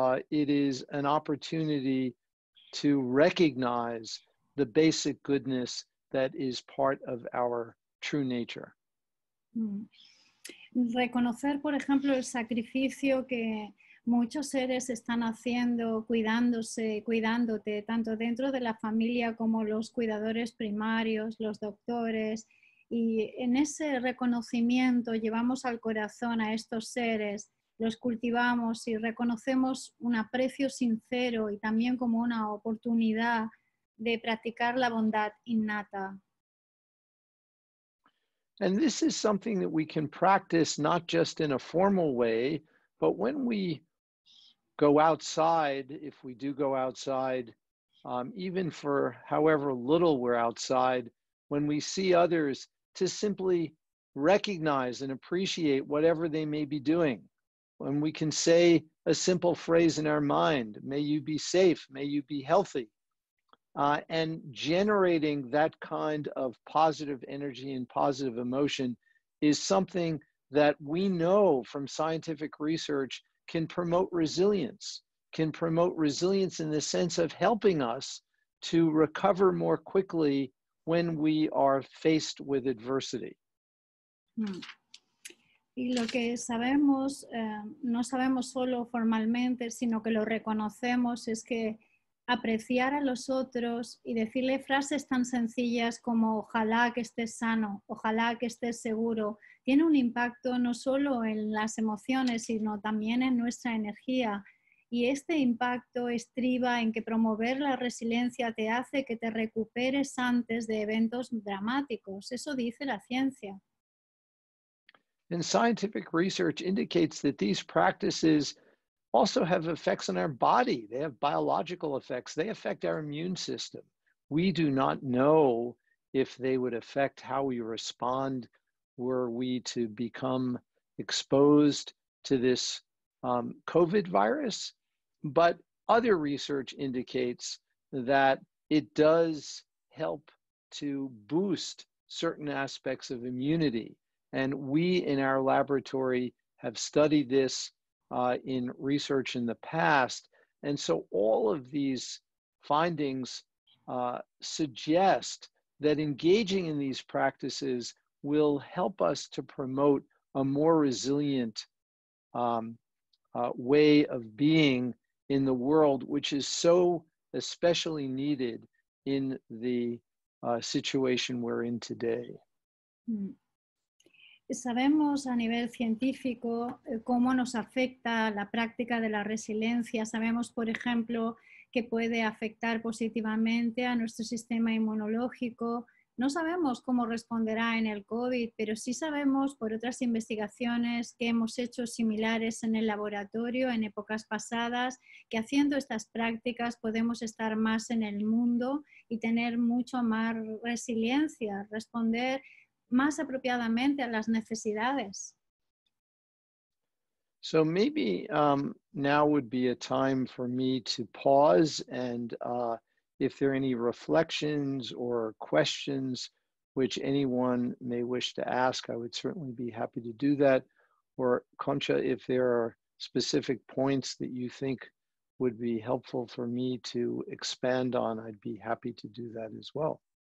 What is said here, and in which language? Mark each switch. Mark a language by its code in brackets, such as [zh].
[en] It is an opportunity to recognize the basic goodness that is part of our true nature. [es] Reconocer, por ejemplo, el sacrificio que muchos seres están haciendo cuidándose, cuidándote, tanto dentro de la familia como los cuidadores primarios, los doctores, y en ese reconocimiento llevamos al corazón a estos seres, los cultivamos y reconocemos un aprecio sincero y también como una oportunidad de practicar la bondad innata. [en] And this is something that we can practice not just in a formal way, but when we go outside, if we do go outside, even for however little we're outside, when we see others, to simply recognize and appreciate whatever they may be doing. When we can say a simple phrase in our mind, may you be safe, may you be healthy. And generating that kind of positive energy and positive emotion is something that we know from scientific research can promote resilience, in the sense of helping us to recover more quickly when we are faced with adversity. [es] Y lo que sabemos, no sabemos solo formalmente, sino que lo reconocemos, es que apreciar a los otros y decirle frases tan sencillas como ojalá que estés sano, ojalá que estés seguro, tiene un impacto no solo en las emociones, sino también en nuestra energía. Y este impacto estriba en que promover la resiliencia te hace que te recuperes antes de eventos dramáticos. Eso dice la ciencia. [en] And scientific research indicates that these practices also have effects on our body. They have biological effects. They affect our immune system. We do not know if they would affect how we respond were we to become exposed to this COVID virus, but other research indicates that it does help to boost certain aspects of immunity. And we in our laboratory have studied this in research in the past. And so all of these findings suggest that engaging in these practices will help us to promote a more resilient way of being in the world, which is so especially needed in the situation we're in today. [es] Sabemos a nivel científico cómo nos afecta la práctica de la resiliencia. Sabemos, por ejemplo, que puede afectar positivamente a nuestro sistema inmunológico. No sabemos cómo responderá en el COVID, pero sí sabemos por otras investigaciones que hemos hecho similares en el laboratorio en épocas pasadas, que haciendo estas prácticas podemos estar más en el mundo y tener mucho más resiliencia, responder más apropiadamente a las necesidades. [en] So maybe now would be a time for me to pause and if there are any reflections or questions which anyone may wish to ask, I would certainly be happy to do that. Or Concha, if there are specific points that you think would be helpful for me to expand on, I'd be happy to do that as well.